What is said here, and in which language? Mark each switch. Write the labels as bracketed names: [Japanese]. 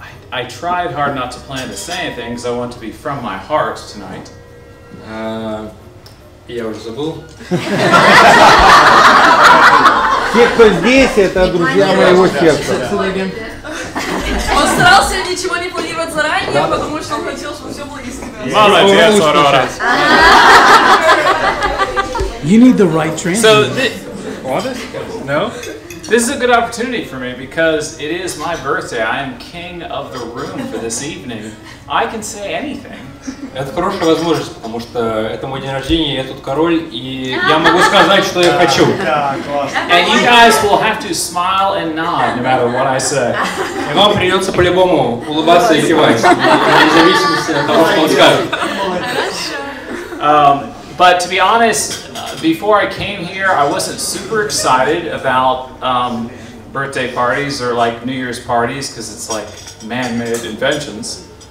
[English] I tried hard not to plan to say anything because I want to be from my heart tonight. [Russian] Я уже забыл. Все, кто здесь, это друзья моего сердца. Он старался ничего не планировать заранее, да? Потому что он хотел, чтобы все было искренне. Молодец, Аврора. [English] You need the right training. So, no? This is a good opportunity for me because it is my birthday. I am king of the room for this evening. I can say anything. [Russian] Это хорошая возможность, потому что это мой день рождения, я тут король, и я могу сказать, что я хочу. [English] And you guys will have to smile and nod, no matter what I say. [Russian] И вам придется по-любому улыбаться и кивать, вне зависимости от того, что он скажет. [English] But to be honest, before I came here, I wasn't super excited about birthday parties or like New Year's parties, because it's like man-made inventions.